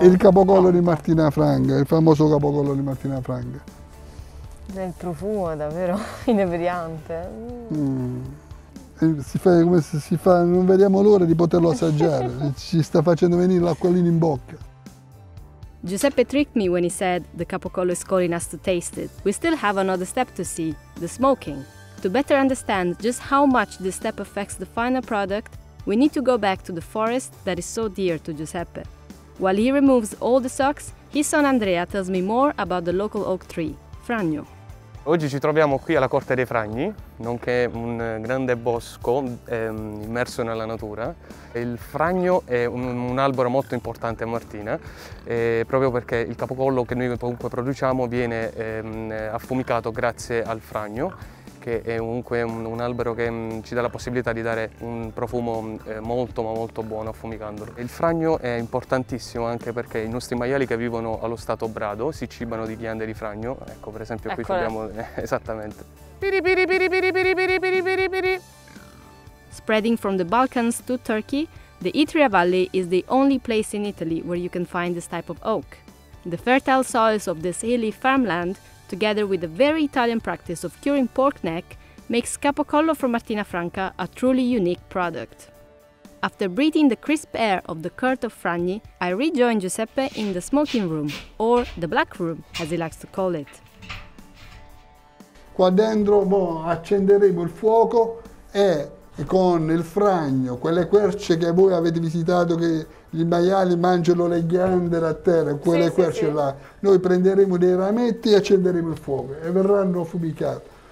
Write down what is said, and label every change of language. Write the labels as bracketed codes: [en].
[it] Il capocollo di Martina Franca, il famoso capocollo di Martina Franca. Il profumo è davvero inebriante. Si fa, non vediamo l'ora di poterlo assaggiare, ci sta facendo venire l'acquolina in bocca. [en] Giuseppe tricked me when he said the capocollo is calling us to taste it. We still have another step to see, the smoking. To better understand just how much this step affects the final product, we need to go back to the forest that is so dear to Giuseppe. While he removes all the socks, his son Andrea tells me more about the local oak tree, Fragno. [it] Oggi ci troviamo qui alla Corte dei Fragni, nonché un grande bosco immerso nella natura. Il fragno è un albero molto importante a Martina, proprio perché il capocollo che noi comunque produciamo viene affumicato grazie al fragno, che è comunque un albero che ci dà la possibilità di dare un profumo molto ma molto buono affumicandolo. Il fragno è importantissimo anche perché i nostri maiali che vivono allo stato brado si cibano di ghiande di fragno. Ecco, per esempio, ecco qui abbiamo esattamente. [en] Spreading from the Balkans to Turkey, the Itria Valley is the only place in Italy where you can find this type of oak. The fertile soils of this hilly farmland, together with the very Italian practice of curing pork neck, makes capocollo from Martina Franca a truly unique product. After breathing the crisp air of the court of Fragni, I rejoin Giuseppe in the smoking room, or the black room, as he likes to call it. [it] Qua dentro accenderemo il fuoco e con il fragno, quelle querce che voi avete visitato, che i maiali mangiano le ghiande da terra, quelle querce là, noi prenderemo dei rametti e accenderemo il fuoco e verranno affumicati.